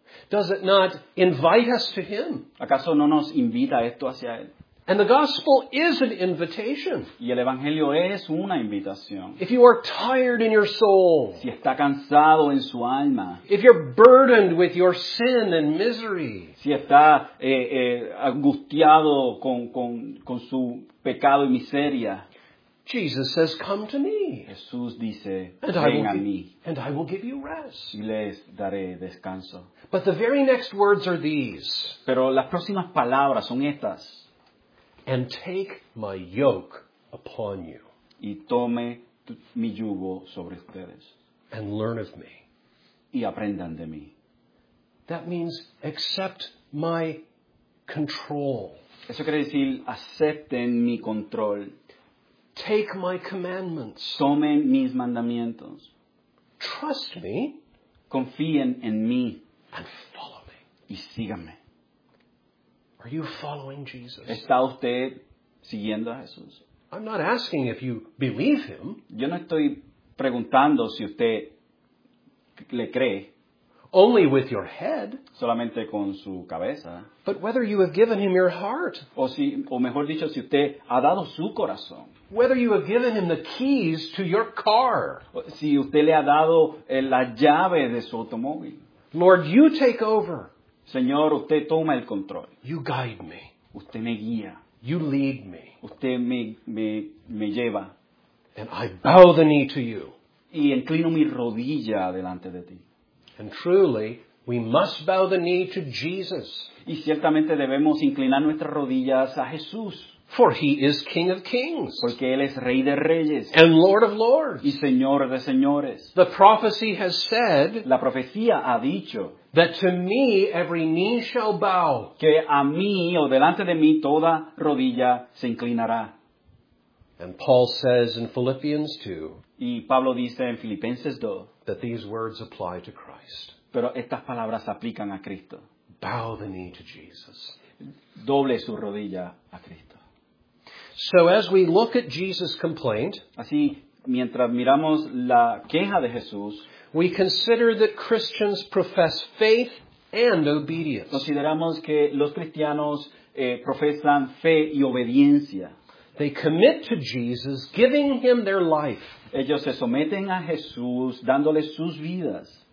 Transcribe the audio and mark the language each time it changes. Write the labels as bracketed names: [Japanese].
[English] Does it not invite us to him? [Spanish] ¿Acaso no nos invita esto hacia él? [English] And the gospel is an invitation. [Spanish] Y el evangelio es una invitación. [English] If you are tired in your soul, [Spanish] si está cansado en su alma. [English] If you're burdened with your sin and misery, [Spanish] si está angustiado con su pecado y miseria. [English] Jesus says, come to me. [Spanish] Jesús dice, ven a mí. [English] And I will give you rest. [Spanish] Y les daré descanso. [English] But the very next words are these. [Spanish] Pero las próximas palabras son estas. [English] And take my yoke upon you. [Spanish] Y tome mi yugo sobre ustedes. [English] And learn of me. [Spanish] Y aprendan de mí. [English] That means accept my control. [Spanish] Eso quiere decir, acepten mi control. [English] Take my commandments. [Spanish] Tomen mis mandamientos. [English] Trust me. [Spanish] Confíen en mí. [English] And follow me. [Spanish] Y síganme. [English] Are you following Jesus? [Spanish] ¿Está usted siguiendo a Jesús? [English] I'm not asking if you believe him. [Spanish] Yo no estoy preguntando si usted le cree. [English] Only with your head. [Spanish] Solamente con su cabeza. [English] But whether you have given him your heart. [Spanish] O mejor dicho, si usted ha dado su corazón. [English] Whether you have given him the keys to your car. [Spanish] Si usted le ha dado la llave de su automóvil. [English] Lord, you take over. [Spanish] Señor, usted toma el control. [English] You guide me. [Spanish] Usted me guía. [English] You lead me. [Spanish] Usted me lleva. [English] And I bow the knee to you. [Spanish] Y inclino mi rodilla delante de ti. [English] And truly, we must bow the knee to Jesus. [Spanish] Y ciertamente debemos inclinar nuestras rodillas a Jesús. [English] For he is King of Kings. [Spanish] Porque él es Rey de Reyes. [English] And Lord of Lords. [Spanish] Y Señor de Señores. [English] The prophecy has said. [Spanish] La profecía ha dicho. [English] That to me every knee shall bow. [Spanish] Que a mí o delante de mí toda rodilla se inclinará. [English] And Paul says in Philippians 2. [Spanish] Y Pablo dice en Filipenses 2. [English] That these words apply to Christ. [Spanish] Pero estas palabras aplican a Cristo. [English] Bow the knee to Jesus. [Spanish] Doble su rodilla a Cristo. [English] So as we look at Jesus' complaint, [Spanish] así, mientras miramos la queja de Jesús, [English] we consider that Christians profess faith and obedience. [Spanish] Consideramos que los cristianos profesan fe y obediencia. [English] They commit to Jesus, giving him their life. [Spanish] Ellos se someten a Jesús, dándole sus vidas.